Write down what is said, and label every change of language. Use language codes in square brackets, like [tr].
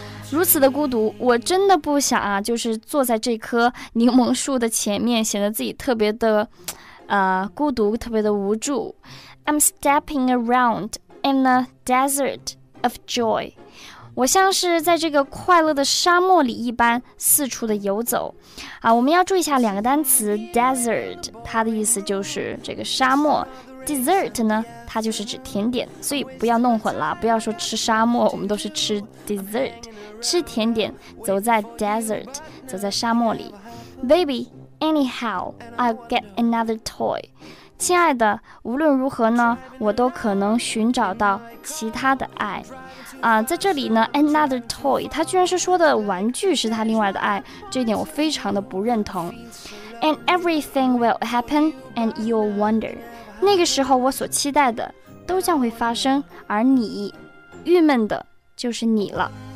[zh] 如此的孤独，我真的不想啊，就是坐在这棵柠檬树的前面，显得自己特别的孤独，特别的无助。 [en] I'm stepping around in a desert of joy. [zh] 我像是在这个快乐的沙漠里一般四处的游走啊。我们要注意一下两个单词 desert 它的意思就是这个沙漠， desert 呢它就是指甜点，所以不要弄混了，不要说吃沙漠，我们都是吃 desert 吃甜点，走在 desert 走在沙漠里。 [en] Baby anyhow I'll get another toy. [zh] 亲爱的，无论如何呢，我都可能寻找到其他的爱啊，在这里呢 another toy 他居然是说的玩具是他另外的爱，这一点我非常的不认同。 [en] And everything will happen and you'll wonder [zh] 那个时候我所期待的都将会发生，而你郁闷的就是你了。